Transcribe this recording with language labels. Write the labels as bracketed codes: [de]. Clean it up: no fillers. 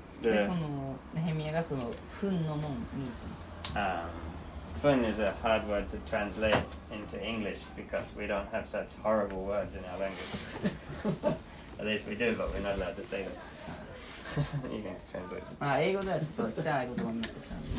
[ja] で、そのネヘミヤがそのフンの門に行きます。 [en] Fun is a hard word to translate into English because we don't have such horrible words in our language. At least we do, but we're not allowed to say them. You can translate them. [ja] Ah, 英語ではちょっと汚い言葉になってしま